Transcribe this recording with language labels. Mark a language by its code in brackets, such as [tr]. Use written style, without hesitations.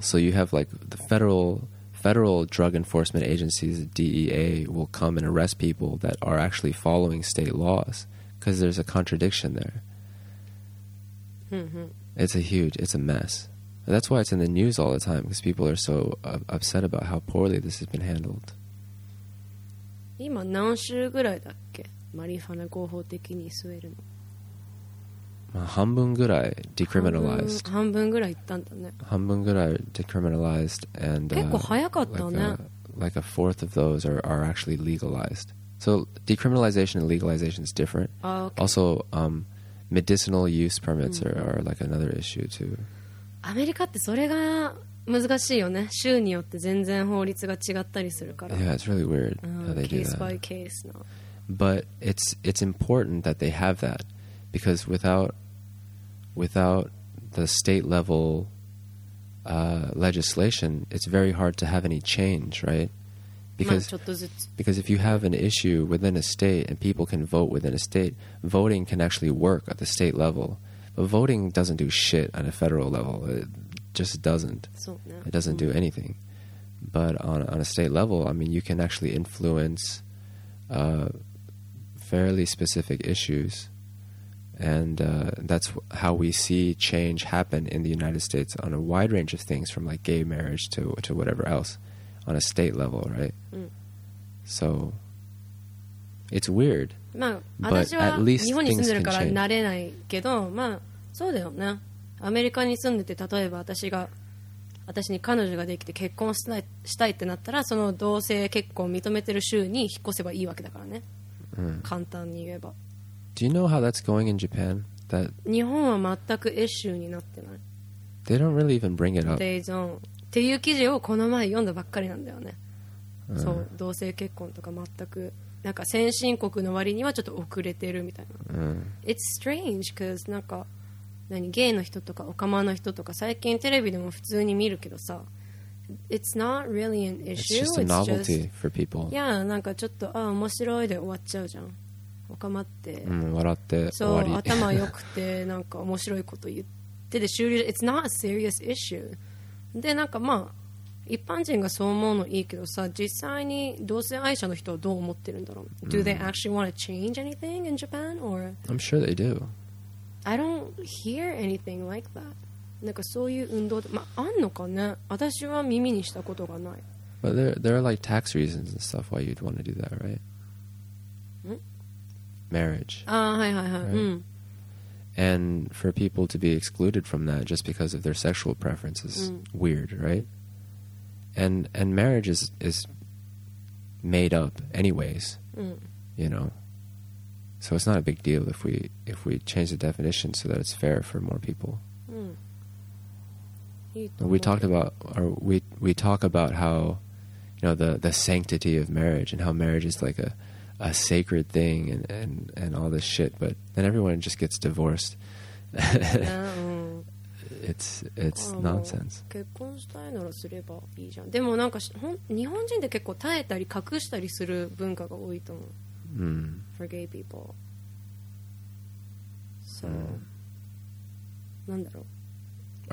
[en] So you have like the federal drug enforcement agencies, DEA, will come and arrest people that are actually following state laws because there's a contradiction there. Mm-hmm. It's a mess. That's why it's in the news all the time because people are so upset about how poorly this has been handled. [ja] 今何週ぐらいだっけ? マリファナ合法的に吸えるの。まあ、半分ぐらい decriminalized. 半分ぐらい行ったんだね。半分ぐらい [en] decriminalized and [ja] 結構早かったね。 [en] Like a fourth of those are actually legalized. So decriminalization and legalization is different. Okay. Also, medicinal use permits are like another issue too. [ja] アメリカってそれが難しいよね。州によって全然法律が違ったりするから。 [en] Yeah, it's really weird how they do that. Case by case. No. But it's important that they have that because without the state level legislation, it's very hard to have any change, right? [ja] Because, まあちょっとずつ。 [en] Because if you have an issue within a state and people can vote within a state, voting can actually work at the state level. Voting doesn't do shit on a federal level. It just doesn't. [ja] そうね。 [en] It doesn't do anything. But on a state level, I mean, you can actually influence fairly specific issues. And that's how we see change happen in the United States on a wide range of things, from like gay marriage to whatever else, on a state level, right? So it's weird. [ja] まあ、 [en] but at least things can change. [ja] 日本に住んでるから慣れないけど、まあそうだよね。アメリカに住んでて、例えば私に彼女ができて結婚したいってなったら、その同性結婚を認めてる州に引っ越せばいいわけだからね。簡単に言えば。 [en] Do you know how that's going in Japan? That [ja] 日本は全くイシューになってない。 [en] They don't really even bring it up. They don't. [ja] っていう記事をこの前読んだばっかりなんだよね。そう、同性結婚とか全くなんか先進国の割にはちょっと遅れてるみたいな、うん、 [en] It's strange cause [ja] なんか何ゲイの人とかオカマの人とか最近テレビでも普通に見るけどさ、 [en] It's not really an issue. It's just a novelty for people. [ja] Yeah, なんかちょっとあ面白いで終わっちゃうじゃん。オカマって、うん、笑って終わり。そう頭良くてなんか面白いこと言ってで終了。 [en] It's not a serious issue. [ja] でなんかまあ一般人がそう思うのいいけどさ、実際に同性愛者の人はどう思ってるんだろう。 Mm. [en] Do they actually want to change anything in Japan or? I'm sure they do. I don't hear anything like that. [ja] なんかそういう運動、まあ、あんのかね。私は耳にしたことがない。 [en] But there are like tax reasons and stuff why you'd want to do that, right? Marriage. [ja] Ah, はいはいはい。Right? うん。 [en] And for people to be excluded from that just because of their sexual preference is、うん、weird, right? And marriage is made up anyways.、うん、 you know. So it's not a big deal if we change the definition so that it's fair for more people.、うん、 We talk about how, you know, the sanctity of marriage and how marriage is like a sacred thing and all this shit, but then everyone just gets divorced. it's nonsense. [ja] 結婚したいならすればいいじゃん。でもなんか日本人って結構耐えたり隠したりする文化が多いと思う。 [en] For gay people. [ja] So, なんだろう。